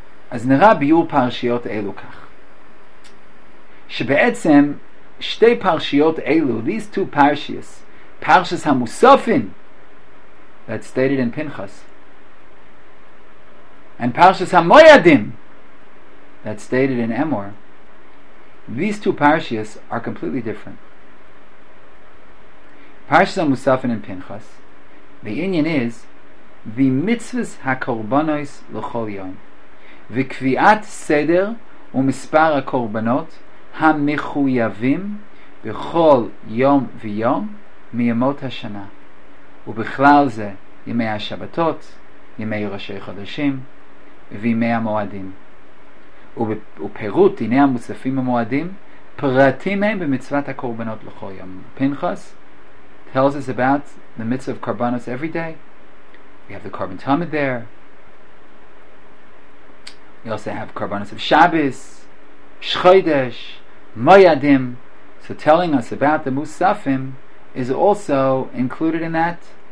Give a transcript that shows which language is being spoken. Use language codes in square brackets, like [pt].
[he] אז נראה ביור פרשיות אלו כך. שבעצם שתי פרשיות אלו, [en] these two parshias, parshas המוספין, that's stated in Pinchas, and parshas המויידים, that's stated in Emor, these two parshias are completely different. Parshas המוספין in Pinchas, the inyan is, the mitzvahs [he] הקורבנויס לכל יום. וקביעת סדר ומספר הקורבנות המחויבים בכל יום ויום מימות השנה ובכלל זה ימי השבתות, ימי ראשי חודשים וימי המועדים ופירוט דיני המוספים המועדים פרטים מהם במצוות הקורבנות לכל יום. [en] Pinchas tells us about the mitzvah of korbanos every day. We have the korban tamid there. You also have Korbanos of Shabbos, Shchodesh, Moyadim. So telling us about the Musafim is also included in that.